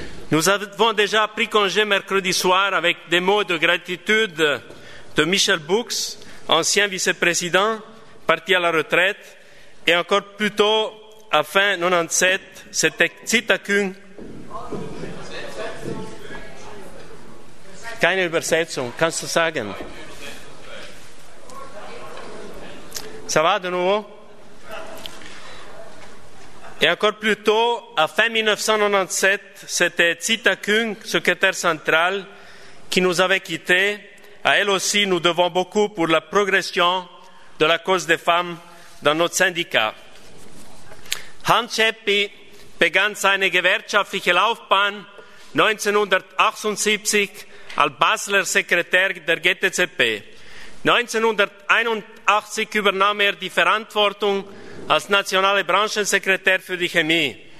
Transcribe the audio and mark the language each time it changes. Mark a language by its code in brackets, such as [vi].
[fr] Nous avons déjà pris congé mercredi soir avec des mots de gratitude de Michel Boux, ancien vice-président, parti à la retraite, et encore plus tôt, à fin 97, c'était Zitakun. [de] Keine Übersetzung, kannst du sagen? [fr] Ça va de nouveau? Et encore plus tôt, à fin 1997, c'était Zitakun, secrétaire central, qui nous avait quittés. À elle aussi, nous devons beaucoup pour la progression de la cause des femmes dans notre syndicat. [de] Hans Scheppi begann seine gewerkschaftliche Laufbahn 1978 als Basler Sekretär der GTCP. 1981 übernahm die Verantwortung als nationaler Branchensekretär für die Chemie.